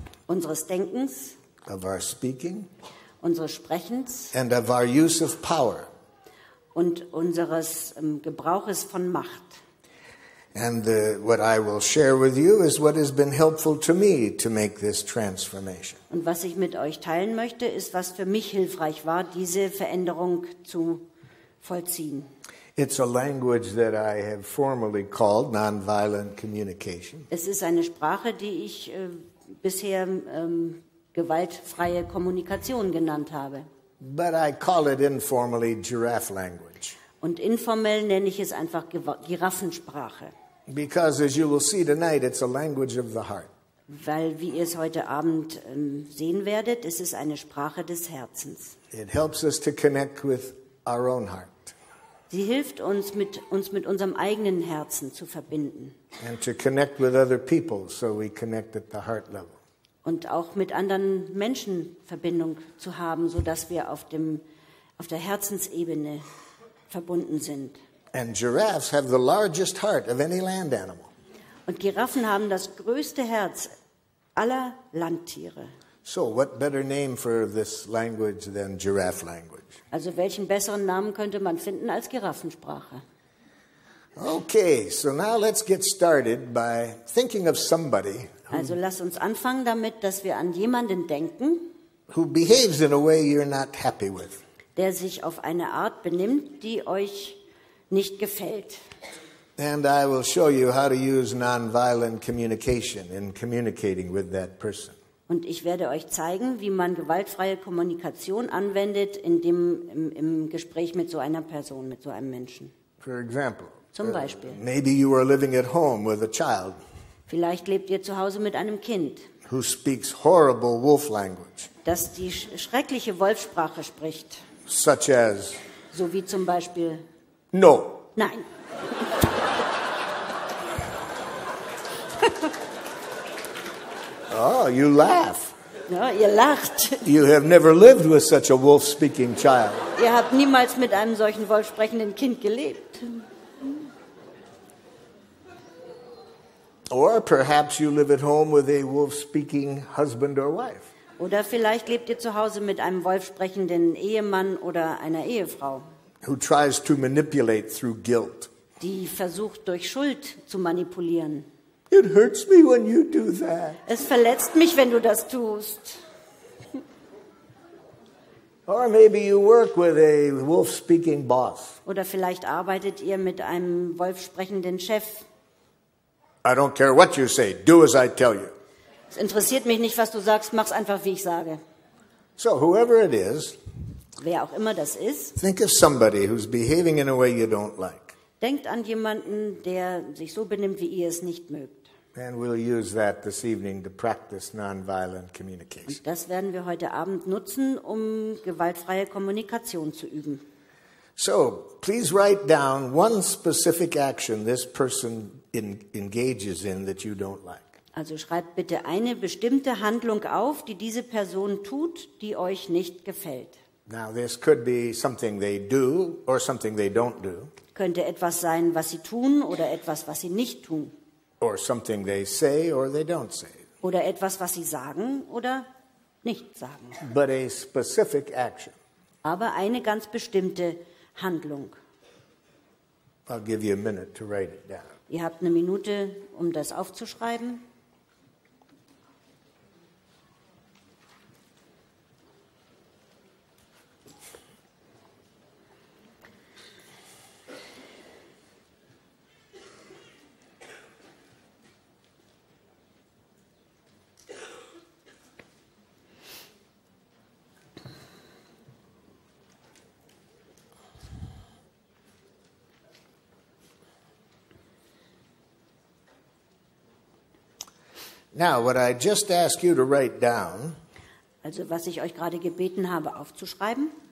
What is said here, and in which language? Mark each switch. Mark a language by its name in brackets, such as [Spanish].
[German] unseres Denkens, [English] of our speaking, [German] unseres Sprechens, [English] and of our use of power, [German] und unseres Gebrauches von Macht. [English] And what I will share with you is what has been helpful to me to make this transformation. [German] Und was ich mit euch teilen möchte, ist, was für mich hilfreich war, diese Veränderung zu vollziehen. [English] It's a language that I have formerly called nonviolent communication. [German] Es ist eine Sprache, die ich bisher gewaltfreie Kommunikation genannt habe. [English] But I call it informally giraffe language. [German] Und informell nenne ich es einfach Giraffensprache. [English] Because as you will see tonight, it's a language of the heart. [German] Weil wie ihr es heute Abend sehen werdet, es ist eine Sprache des Herzens. [English] It helps us to connect with our own heart. [German] Sie hilft uns, mit unserem eigenen Herzen zu verbinden. [English] And to connect with other people, so we connect at the heart level. [German] Und auch mit anderen Menschen Verbindung zu haben, so dass wir auf der Herzensebene verbunden sind. [English] And giraffes have the largest heart of any land animal. [German] Und Giraffen haben das größte Herz aller Landtiere. [English] So, what better name for this language than giraffe language? [German] Also welchen besseren Namen könnte man finden als Giraffensprache? [English] Okay, so now let's get started by thinking of somebody. [German] Also lass uns anfangen damit, dass wir an jemanden denken. [English] Who behaves in a way you're not happy with. [German] Der sich auf eine Art benimmt, die euch nicht gefällt. [English] And I will show you how to use nonviolent communication in communicating with that person. [German] Und ich werde euch zeigen, wie man gewaltfreie Kommunikation anwendet in dem, im Gespräch mit so einer Person, mit so einem Menschen. [English] For example, [German] zum Beispiel. [English] Maybe you are living at home with a child. [German] Vielleicht lebt ihr zu Hause mit einem Kind. [English] Who speaks horrible wolf language. [German] Das die schreckliche Wolfsprache spricht. [English] Such as. [German] So wie zum Beispiel. [English] No. [German] Nein. [English] Oh, you laugh. [German] Ja, ihr lacht. [English] You have never lived with such a wolf-speaking child. [German] Ihr habt niemals mit einem solchen wolfsprechenden Kind gelebt. [English] Or perhaps you live at home with a wolf-speaking husband or wife. [German] Oder vielleicht lebt ihr zu Hause mit einem wolfsprechenden Ehemann oder einer Ehefrau. [English] Who tries to manipulate through guilt. [German] Die versucht durch Schuld zu manipulieren. [English] It hurts me when you do that. [German] Es verletzt mich, wenn du das tust. [English] Or maybe you work with a wolf-speaking boss. [German] Oder vielleicht arbeitet ihr mit einem wolfsprechenden Chef. [English] I don't care what you say. Do as I tell you. [German] Es interessiert mich nicht, was du sagst. Mach's einfach, wie ich sage. [English] So whoever it is, [German] wer auch immer das ist, [English] think of somebody who's behaving in a way you don't like. [German] Denkt an jemanden, der sich so benimmt, wie ihr es nicht mögt. [English] And we'll use that this evening to practice non-violent communication. [German] Und das werden wir heute Abend nutzen, um gewaltfreie Kommunikation zu üben. [English] So, please write down one specific action this person engages in that you don't like. [German] Also schreibt bitte eine bestimmte Handlung auf, die diese Person tut, die euch nicht gefällt. [English] Now this could be something they do or something they don't do. [German] Könnte etwas sein, was sie tun oder etwas, was sie nicht tun. [English] Or something they say or they don't say. [German] Oder etwas, was sie sagen oder nicht sagen. [English] But a specific action. [German] Aber eine ganz bestimmte Handlung. [English] I'll give you a minute to write it down. [German] Ihr habt eine Minute, um das aufzuschreiben. [English] Now, what I just asked you to write down, [German] also was ich euch gerade gebeten habe aufzuschreiben,